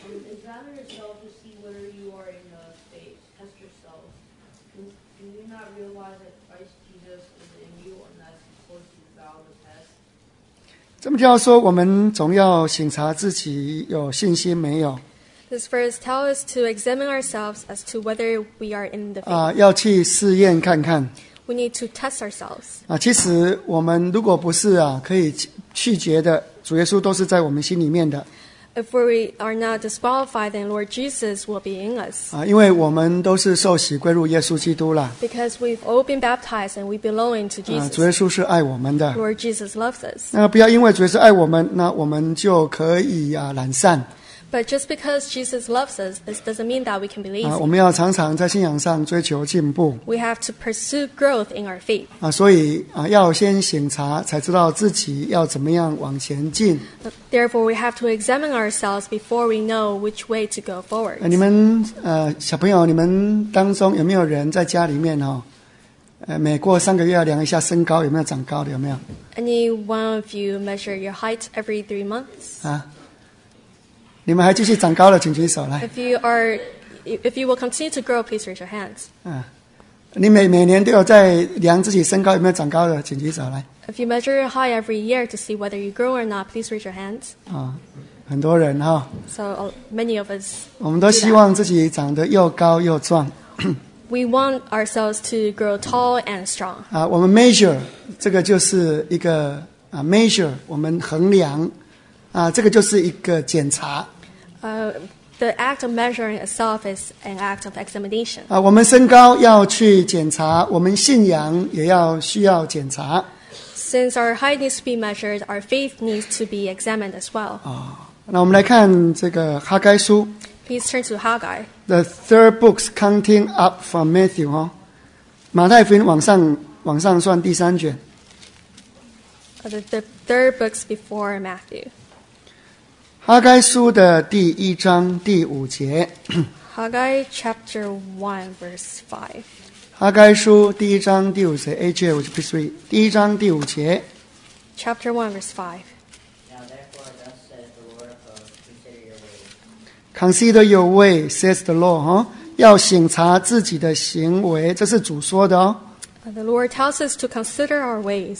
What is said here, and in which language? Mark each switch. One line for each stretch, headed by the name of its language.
English: Examine yourself to see whether you are in the faith. Test yourself. Do you not realize that Christ Jesus is in you unless you force you to bow the test?
Chinese: 这么跳说，我们总要省察自己有信心没有。
English: This verse tells us to examine ourselves as to whether we are in the faith.
Chinese: 要去试验看看。
English: We need to test ourselves.
Chinese: 其实我们如果不是可以拒绝的，主耶稣都是在我们心里面的。
English: If we are not disqualified, then Lord Jesus will be in us.
Chinese: 因为我们都是受洗归入耶稣基督了。
English: Because we've all been baptized and we belong to Jesus.
Chinese: 主耶稣是爱我们的。
English: Lord Jesus loves us.
Chinese: 那不要因为主耶稣爱我们，那我们就可以懒散。
English: But just because Jesus loves us, this doesn't mean that we can believe.
Chinese: 我们要常常在信仰上追求进步。
English: We have to pursue growth in our faith.
Chinese: 所以要先省察，才知道自己要怎么样往前进。
English: Therefore, we have to examine ourselves before we know which way to go forward.
Chinese: 你们小朋友，你们当中有没有人在家里面每过三个月要量一下身高有没有长高的？有没有
English: ？Any one of you measure your height every 3 months?
Chinese: 你们还继续长高了，请举手来。
English: If you will continue to grow, please raise your hands.
Chinese: 你每年都有在量自己身高有没有长高的，请举手来。
English: If you measure your height every year to see whether you grow or not, please raise your hands.
Chinese: 很多人哈。
English: So many of us.
Chinese: 我们都希望自己长得又高又壮。
English: We want ourselves to grow tall and strong.
Chinese: 我们 measure 这个就是一个measure 我们衡量。这个就是一个检查。
English: The act of measuring itself is an act of examination.
Chinese: 我们身高要去检查，我们信仰也要需要检查。
English: Since our height needs to be measured, our faith needs to be examined as well.
Chinese: 那我们来看这个哈该书。
English: Please turn to Haggai. The third book counting up from Matthew,
Chinese: 马太福音往上算第三卷。
English: The third books before Matthew.
Chinese: 哈该书的第一章第五节。
English: 哈该 chapter 1 verse 5。
Chinese: 哈该书第一章第五节 ，AJ， 我是
English: Please read
Chinese: 第一章第五节。
English: Chapter 1 verse 5。 Now therefore thus says the Lord of hosts, consider your way. Consider your way, says the Lord.
Chinese: 要省察自己的行为，这是主说的哦。
English: The Lord tells us to consider our ways.